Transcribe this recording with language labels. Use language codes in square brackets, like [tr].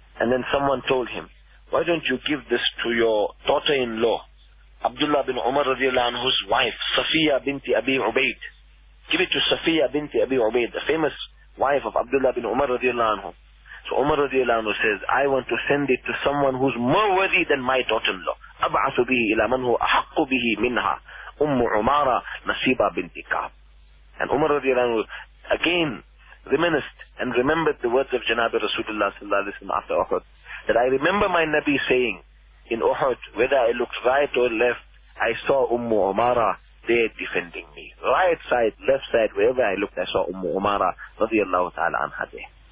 [en] And then someone told him, why don't you give this to your daughter-in-law, Abdullah bin Umar radiallahu anhu's wife, Safiya binti Abi Ubaid. Give it to Safiya binti Abi Ubaid, the famous wife of Abdullah bin Umar radiallahu anhu. So Umar radiallahu anhu says, I want to send it to someone who's more worthy than my daughter-in-law. [ar] أَبْعَثُ بِهِ إِلَى مَنْ هُوَ أَحَقُّ بِهِ مِنْهَا أُمُّ عُمَارَ نَصِيبَ بِنْتِ كَعْبِ. [en] And Umar radiallahu anhu again reminisced and remembered the words of Janabi Rasulullah sallallahu alayhi wa sallam after Uhud, that I remember my Nabi saying, in Uhud, whether I looked right or left, I saw Ummu Umara there defending me. Right side, left side, wherever I looked, I saw Ummu Umara radiallahu ta'ala anha there.